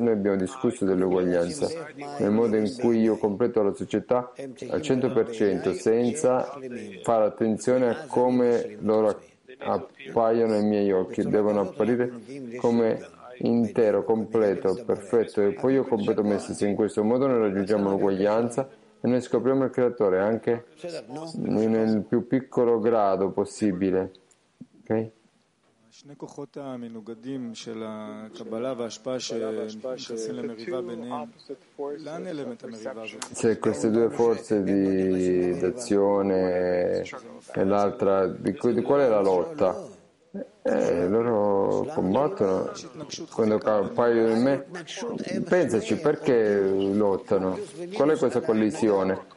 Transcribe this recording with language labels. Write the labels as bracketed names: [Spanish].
[Italian] Noi abbiamo discusso dell'uguaglianza, nel modo in cui io completo la società al 100% senza fare attenzione a come loro appaiono ai miei occhi, devono apparire come intero, completo, perfetto, e poi io completo me stesso. In questo modo noi raggiungiamo l'uguaglianza e noi scopriamo il creatore anche nel più piccolo grado possibile. Ok? [Hebrew] שני כוחות המנוגדים של הקבלה וההשפעה שנכנסים למריבה ביניהם, לאן נעלם את המריבה הזאת? [Italian] C'è queste due forze di d'azione e l'altra di qual è la lotta? Loro combattono quando appaiono in me. Pensaci, perché lottano? Qual è questa collisione?